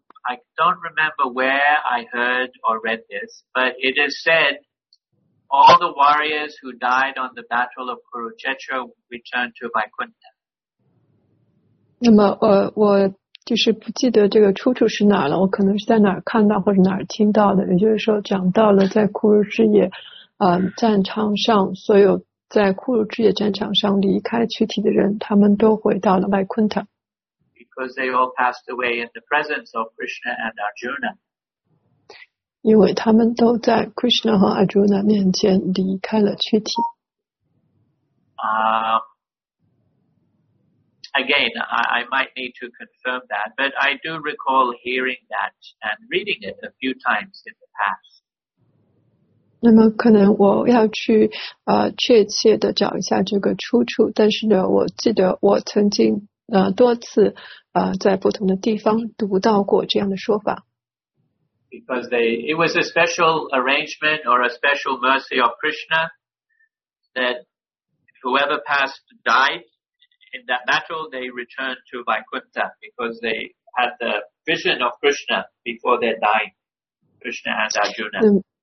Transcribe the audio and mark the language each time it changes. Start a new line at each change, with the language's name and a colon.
English: I don't remember where I heard or read this, but it is said all the warriors who died on the battle of Kurukshetra returned to Vaikuntha.
Chinese: 那么我就是不记得这个出处是哪了，我可能是在哪儿看到或者哪儿听到的，也就是说讲到了在库尔之野战场上所有在库鲁之野战场上离开躯体的人，他们都回到了麦昆塔。
English: Because they all passed away in the presence of Krishna and Arjuna.
Chinese: 因为他们都在 Krishna 和 Arjuna 面前离开了躯体。
English: Again, I might need to confirm that, but I do recall hearing that and reading it a few times in the past.
Chinese: 那么可能我要去确切的找一下这个出处，但是呢我记得我曾经多次在不同的地方读到过这样的说法。
English: Because it was a special arrangement or a special mercy of Krishna that whoever passed died in that battle, they returned to Vaikuntha because they had the vision of Krishna before they died, Krishna and Arjuna.